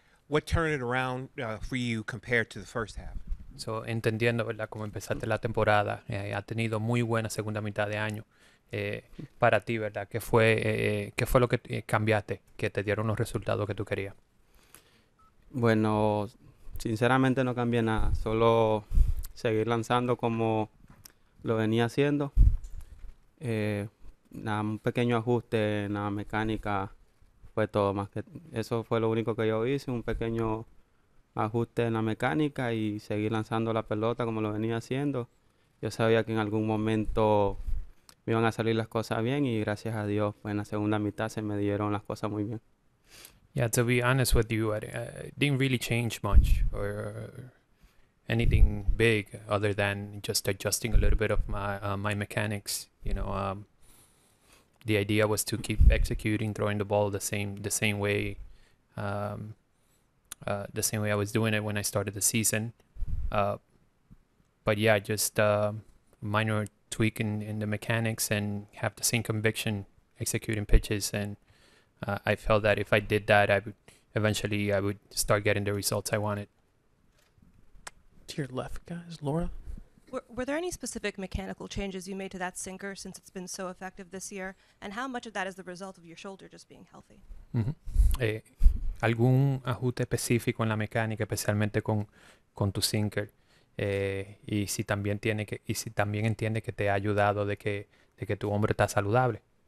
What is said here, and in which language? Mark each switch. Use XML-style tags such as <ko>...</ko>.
<en>What turned it around for you compared to the first half?</en> <es>So, entendiendo, ¿verdad?, cómo empezaste la temporada, ha tenido muy buena segunda mitad de año. Para ti, ¿verdad?, ¿qué fue lo que cambiaste, que te dieron los resultados que tú querías? Bueno, sinceramente no cambié nada. Solo seguir lanzando como lo venía haciendo. Un pequeño ajuste en la mecánica fue todo. Más que eso fue lo único que yo hice, un pequeño ajuste en la mecánica y seguir lanzando la pelota como lo venía haciendo. Yo sabía que en algún momento me iban a salir las cosas bien y gracias a Dios, pues en la segunda mitad se me dieron las cosas muy bien.</es> <en>Yeah, to be honest with you, it didn't really change much or anything big other than just adjusting a little bit of my mechanics. You know, the idea was to keep executing, throwing the ball the same way, the same way I was doing it when I started the season. But yeah, just minor tweak in the mechanics and have the same conviction executing pitches. And I felt that if I did that, I would eventually start getting the results I wanted. To your left, guys. Laura? Were there any specific mechanical changes you made to that sinker since it's been so effective this year? And how much of that is the result of your shoulder just being healthy?</en> <es>¿Algún ajuste específico en la mecánica, especialmente con tu sinker? ¿Y si también entiende que te ha ayudado de que tu hombro está saludable?</es>